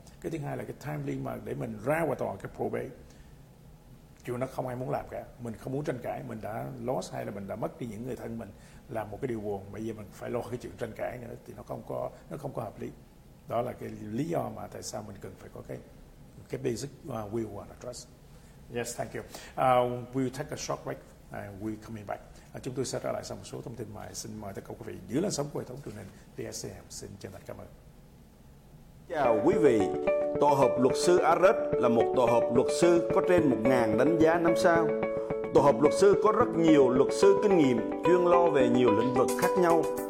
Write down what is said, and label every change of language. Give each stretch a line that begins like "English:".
Vietnamese: Cái thứ hai là cái timely mà để mình ra ngoài tòa cái probate, chuyện nó không ai muốn làm cả. Mình không muốn tranh cãi, mình đã lost hay là mình đã mất đi những người thân mình là một cái điều buồn. Bây giờ mình phải lo cái chuyện tranh cãi nữa thì nó không có hợp lý. Đó là cái lý do mà tại sao mình cần phải có cái
English: basic will and trust. Yes, thank you. We'll take a short break and we'll coming back.
Vietnamese: Chúng tôi sẽ trở lại sau một số thông tin mà xin mời tất cả quý vị giữ làn sóng của hệ thống truyền hình VSCM. Xin chân thành cảm ơn. Chào quý vị. Tổ hợp luật sư Arad là một tổ hợp luật sư có trên 1.000 đánh giá 5 sao. Tổ hợp luật sư có rất nhiều luật sư kinh nghiệm chuyên lo về nhiều lĩnh vực khác nhau.